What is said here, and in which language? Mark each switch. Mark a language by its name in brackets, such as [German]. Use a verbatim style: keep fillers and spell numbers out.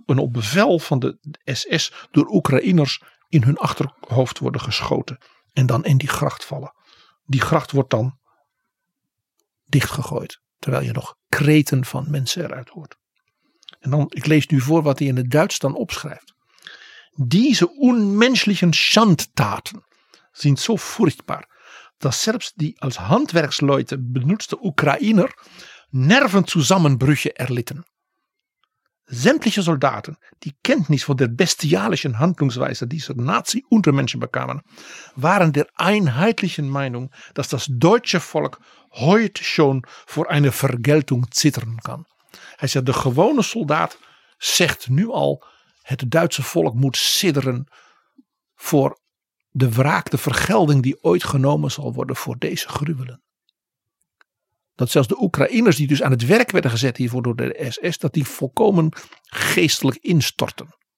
[Dutch] En op bevel van de S S door Oekraïners in hun achterhoofd worden geschoten. En dan in die gracht vallen. Die gracht wordt dan dichtgegooid. Terwijl je nog kreten van mensen eruit hoort. En dan, ik lees nu voor wat hij in het Duits dan opschrijft. [German] Diese unmenschlichen Schandtaten sind so furchtbar, dass selbst die als Handwerksleute benutzte Ukrainer Nervenzusammenbrüche erlitten. Sämtliche Soldaten, die Kenntnis von der bestialischen Handlungsweise dieser Nazi-Untermenschen bekamen, waren der einheitlichen Meinung, dass das deutsche Volk heute schon vor einer Vergeltung zittern kann. [Dutch] Hij zegt, de gewone soldaat zegt nu al, het Duitse volk moet sidderen voor de wraak, de vergelding die ooit genomen zal worden voor deze gruwelen. Dat zelfs de Oekraïners die dus aan het werk werden gezet hiervoor door de S S, dat die volkomen geestelijk instorten.